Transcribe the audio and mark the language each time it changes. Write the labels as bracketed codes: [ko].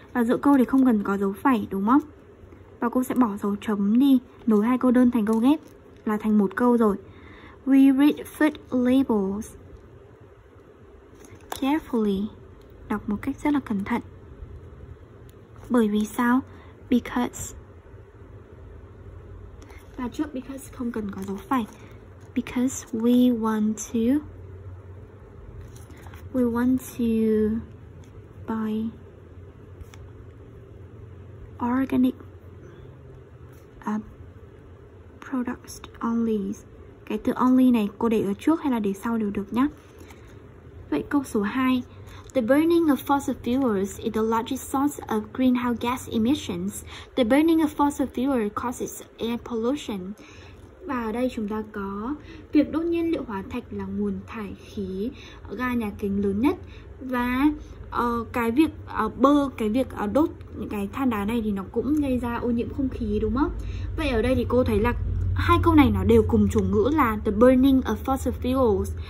[vi] Và giữa câu thì không cần có dấu phẩy đúng không? Và cô sẽ bỏ dấu chấm đi, nối hai câu đơn thành câu ghép là thành một câu rồi. [en] We read food labels carefully. [vi] Đọc một cách rất là cẩn thận. Bởi vì sao? Because. Và trước because không cần có dấu phẩy. [en] Because we want to buy organic products only. [vi] Cái từ only này cô để ở trước hay là để sau đều được nhá. Vậy câu số 2. [en] The burning of fossil fuels is the largest source of greenhouse gas emissions. The burning of fossil fuels causes air pollution. [vi] Và ở đây chúng ta có việc đốt nhiên liệu hóa thạch là nguồn thải khí ga nhà kính lớn nhất. Và cái việc đốt những cái than đá này thì nó cũng gây ra ô nhiễm không khí đúng không? Vậy ở đây thì cô thấy là hai câu này nó đều cùng chủ ngữ là [en] the burning of fossil fuels.